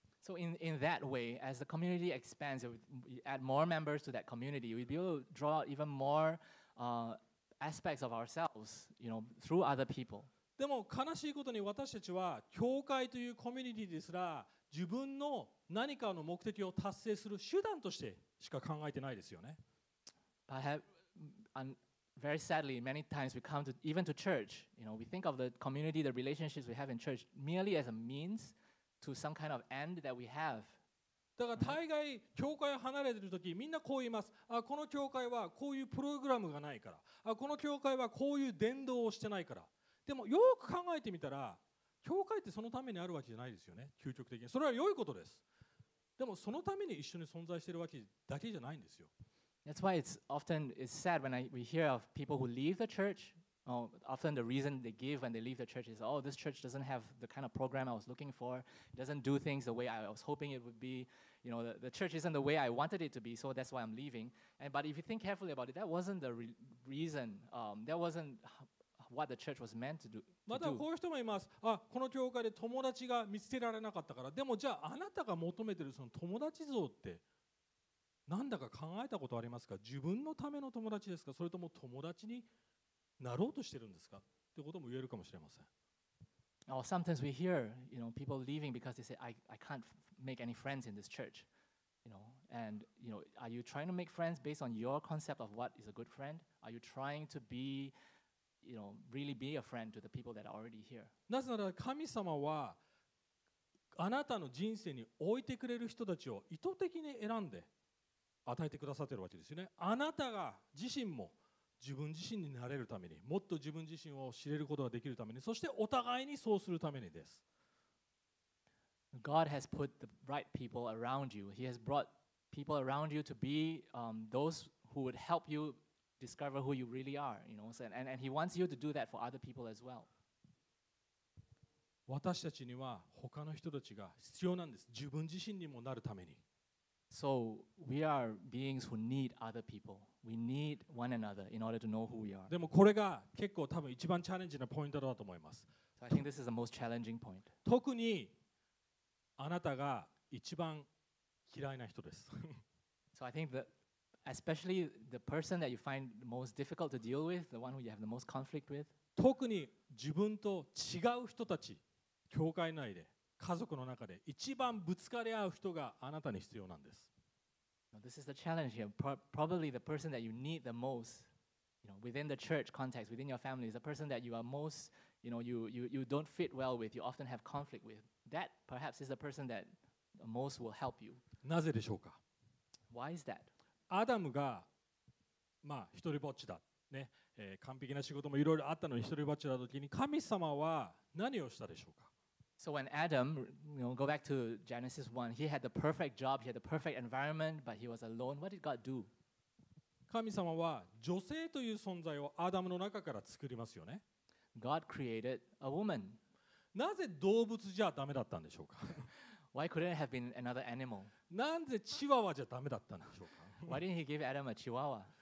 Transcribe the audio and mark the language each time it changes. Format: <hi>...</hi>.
<en>So in that way, as the community expands, we add more members to that community, we'd be able to draw out even more aspects of ourselves, you know, through other people.</en> <ja>でも悲しいことに私たちは教会というコミュニティですら自分の何かの目的を達成する手段としてしか考えてないですよね。</ja> <en>Very sadly, many times we come to even to church. You know, we think of the community, the relationships we have in church, merely as a means to some kind of end that we have.</en> <ja>だから大概教会を離れてる時、みんなこう言います。あ、この教会はこういうプログラムがないから。あ、この教会はこういう伝道をしてないから。でもよく考えてみたら、教会ってそのためにあるわけじゃないですよね。究極的に。それは良いことです。でもそのために一緒に存在してるわけだけじゃないんですよ。</ja> <en>That's why it's often it's sad when we hear of people who leave the church. Oh, often the reason they give when they leave the church is, oh, this church doesn't have the kind of program I was looking for. It doesn't do things the way I was hoping it would be. You know, the church isn't the way I wanted it to be, so that's why I'm leaving. But if you think carefully about it, that wasn't the reason. That wasn't what the church was meant to do.</en> <ja>またこういう人もいます。あ、この教会で友達が見つけられなかったから。でもじゃああなたが求めてるその友達像って何だか考えたことありますか？自分のための友達ですか？それとも友達になろうとしてるんですか？ってことも言えるかもしれません。</ja> <en>Oh, sometimes we hear, you know, people leaving because they say, I can't make any friends in this church. You know, and, you know, are you trying to make friends based on your concept of what is a good friend? Are you trying to be, you know, really be a friend to the people that are already here?</en> <ja>なぜなら神様はあなたの人生に置いてくれる人たちを意図的に選んで与えてくださってるわけですよね。あなたが自身も自分自身になれるためにもっと自分自身を知れることができるためにそしてお互いにそうするためにです。</ja> <en>God has put the right people around you. He has brought people around you to be those who would help you discover who you really are, you know, and he wants you to do that for other people as well.</en> <ja>私たちには他の人たちが必要なんです。自分自身にもなるために。</ja> <en>So we are beings who need other people. We need one another in order to know who we are.</en> <ja>でもこれが結構多分一番チャレンジなポイントだと思います。</ja> <en>So I think this is the most challenging point.</en> <ja>特にあなたが一番嫌いな人です。</ja> <en>So I think that especially the person that you find most difficult to deal with, the one who you have the most conflict with.</en> <ja>特に自分と違う人たち、教会内で。家族の中で一番ぶつかり合う人があなたに必要なんです。</ja> <en>This is the challenge here. Probably the person that you need the most, you know, within the church context, within your family, is the person that you are most, you know, you don't fit well with, you often have conflict with. That perhaps is the person that most will help you.</en> <ja>なぜでしょうか?</ja> <en>Why is that?</en> <ja>アダムが、まあ、一人ぼっちだ。ね、完璧な仕事もいろいろあったのに一人ぼっちだときに神様は何をしたでしょうか?</ja> <en>So when Adam, you know, go back to Genesis 1, he had the perfect job, he had the perfect environment, but he was alone. What did God do?</en> <ja>神様は女性という存在をアダムの中から作りますよね。</ja> <en>God created a woman.</en> <ja>なぜ動物じゃダメだったんでしょうか?</ja> <en>Why couldn't it have been another animal?</en> <ja>なんでチワワじゃダメだったんでしょうか?</ja> <en>Why didn't he give Adam a chihuahua?</en>